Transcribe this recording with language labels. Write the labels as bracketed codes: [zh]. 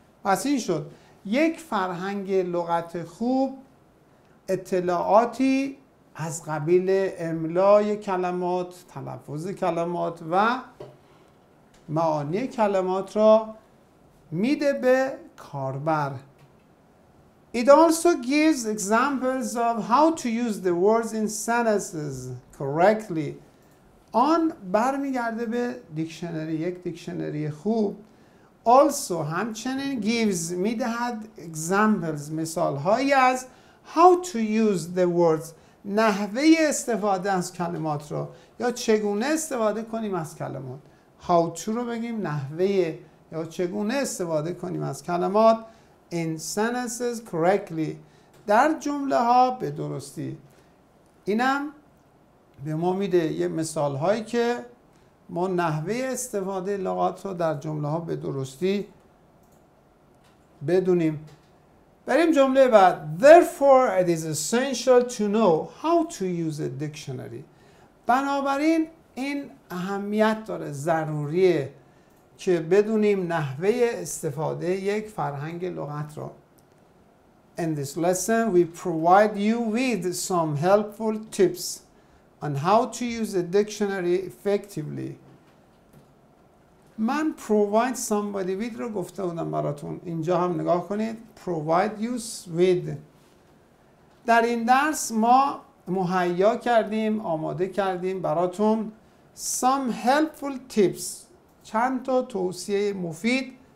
[fa] پس این شد یک فرهنگ لغت خوب اطلاعاتی از قبیل املای کلمات، تلفظ کلمات و معانی کلمات را میده به کاربر. [en] It also gives examples of how to use the words in sentences correctly. [fa] آن برمیگرده به دیکشنری. یک دیکشنری خوب also همچنین gives میدهد examples مثال هایی از [en] how to use the words، [fa] نحوه استفاده از کلمات را یا چگونه استفاده کنیم از کلمات. How to رو بگیم نحوه یا چگونه استفاده کنیم از کلمات. [en] In sentences correctly، [fa] در جمله ها به درستی. اینم به ما میده یه مثال هایی که ما نحوه استفاده لغات رو در جمله ها به درستی بدونیم. بریم جمله بعد. [en] Therefore it is essential to know how to use a dictionary. [fa] بنابراین این اهمیت داره، ضروریه که بدونیم نحوه استفاده یک فرهنگ لغت را. [en] In this lesson we provide you with some helpful tips on how to use a dictionary effectively. [fa] من [en] provide somebody with [fa] رو گفته بودم براتون. اینجا هم نگاه کنید، [en] provide you with. [fa] در این درس ما مهیا کردیم، آماده کردیم براتون [en] some helpful tips، [fa] چند تا توصیه مفید.